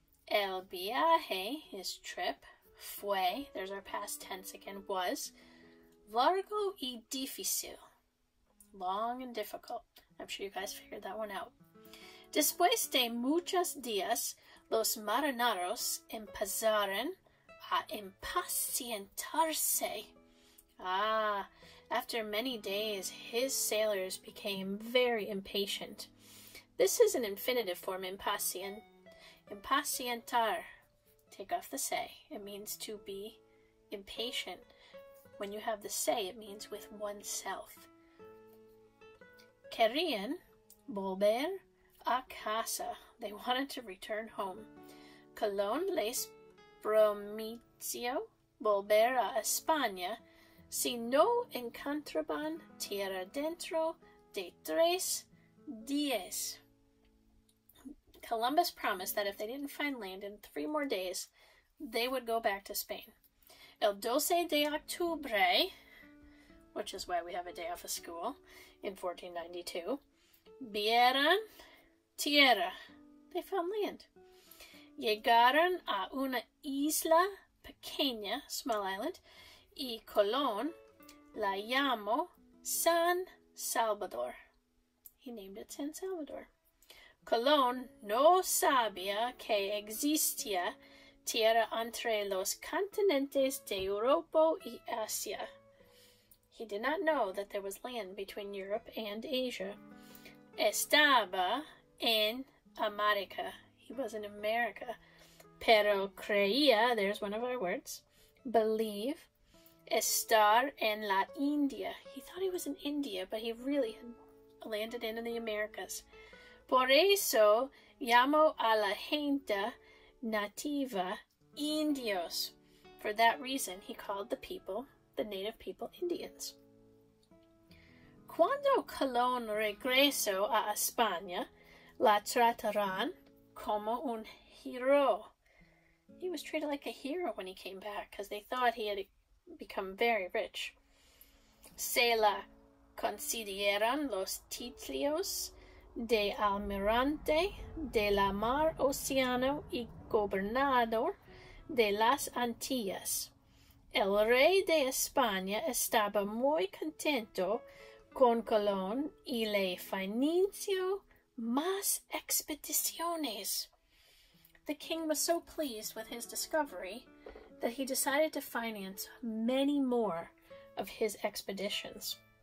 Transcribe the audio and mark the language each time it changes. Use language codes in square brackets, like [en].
[es] El viaje, [en] his trip, [es] fue, [en] there's our past tense again, was [es] largo y difícil, [en] long and difficult. I'm sure you guys figured that one out. [es] Después de muchos días, los marineros empezaron a impacientarse. [en] Ah, after many days, his sailors became very impatient. This is an infinitive form, impacientar. Take off the se. It means to be impatient. When you have the se, it means with oneself. [es] Querían volver a casa. [en] They wanted to return home. [es] Colón les prometió volver a España si no encontraban tierra dentro de tres días. [en] Columbus promised that if they didn't find land in 3 more days, they would go back to Spain. [es] El 12 de octubre, [en] which is why we have a day off of school, in 1492, [es] vieron tierra. [en] They found land. [es] Llegaron a una isla pequeña, [en] small island, [es] y Colón la llamó San Salvador. [en] He named it San Salvador. [es] Colón no sabía que existía tierra entre los continentes de Europa y Asia. [en] He did not know that there was land between Europe and Asia. [es] Estaba en América. [en] He was in America. [es] Pero creía, [en] there's one of our words, believe, [es] estar en la India. [en] He thought he was in India, but he really had landed in the Americas. [es] Por eso llamo a la gente nativa indios. [en] For that reason, he called the people, the native people, Indians. [es] Cuando Colón regresó a España, la trataron como un hero. [en] He was treated like a hero when he came back because they thought he had become very rich. [es] Se la concedieron los títulos de almirante de la mar océano y gobernador de las Antillas. El rey de España estaba muy contento con Colón y le financió más expediciones. [en] The king was so pleased with his discovery that he decided to finance many more of his expeditions.